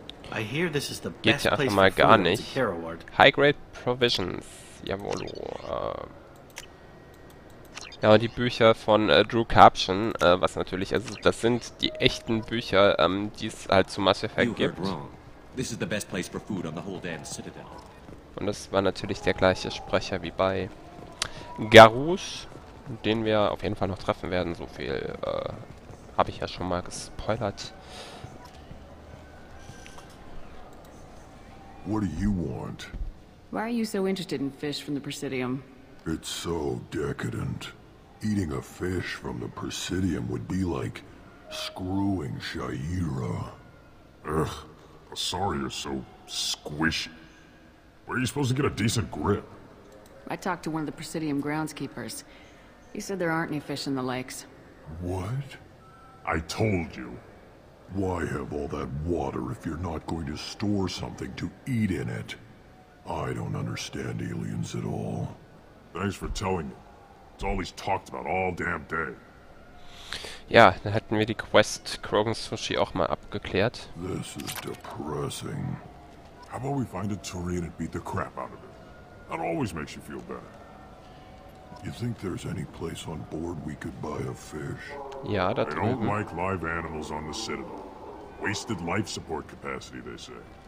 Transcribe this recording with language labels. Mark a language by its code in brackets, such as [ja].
[en] I hear this is the best [de] geht ja [en] place [de] mal [en] for [de] gar nicht. High Grade Provisions. Jawohl. Ja, und die Bücher von Drew Capshen, was natürlich, also das sind die echten Bücher, die es halt zu Mass Effect gibt. [en] This is the best place for food on the whole damn Citadel. [de] Und das war natürlich der gleiche Sprecher wie bei Garrosh, den wir auf jeden Fall noch treffen werden, so viel habe ich ja schon mal gespoilert. [en] What do you want? Why are you so interested in fish from the Presidium? It's so decadent. Eating a fish from the Presidium would be like screwing Shaira. Ugh, Asari is so squishy. Where are you supposed to get a decent grip? I talked to one of the Presidium groundskeepers. He said there aren't any fish in the lakes. What? I told you. Why have all that water if you're not going to store something to eat in it? I don't understand aliens at all. Thanks for telling me. It's all he's talked about all damn day. [de] Ja, dann hätten wir die Quest Krogan Sushi auch mal abgeklärt. [en] This is depressing. How about we find a Turian and beat the crap out of it? That always makes you feel better. You think there's any place on board we could buy a fish? [de] Ja, da drüben. [en] I don't like live animals on the Citadel. Wasted life support capacity, they say.